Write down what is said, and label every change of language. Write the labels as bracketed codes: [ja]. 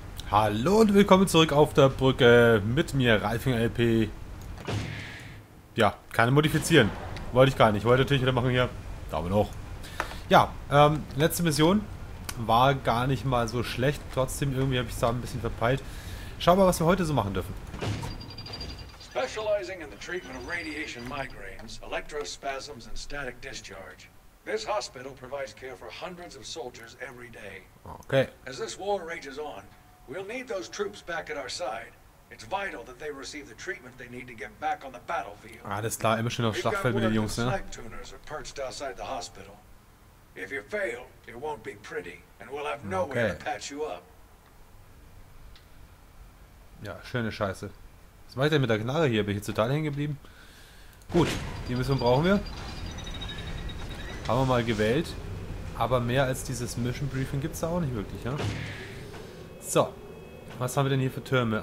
[de] Hallo und willkommen zurück auf der Brücke mit mir, Ralfing LP. Ja, keine modifizieren. Wollte ich gar nicht. Wollte natürlich wieder machen hier. Daumen hoch. Ja, letzte Mission war gar nicht mal so schlecht. Trotzdem irgendwie habe ich es da ein bisschen verpeilt. Schau mal, was wir heute so machen dürfen. [en] Specializing in the treatment of radiation migraines, electrospasms and static discharge. This hospital provides care for hundreds of soldiers every day. Okay. As this war rages on, we'll need those troops back at our side. It's vital that they receive the treatment they need to get back on the battlefield. [de] Alles klar, immer schön auf Schlachtfeld mit den Jungs, ne? [en] We've got work that snipe tuners are perched outside the hospital. If you fail, it won't be pretty, and we'll have nowhere to patch you up. [de] Ja, schöne Scheiße. Was mache ich denn mit der Knarre hier? Bin ich jetzt total hängen geblieben? Gut, die Mission brauchen wir. Haben wir mal gewählt. Aber mehr als dieses Mission Briefing gibt es da auch nicht wirklich, ja? So, was haben wir denn hier für Türme?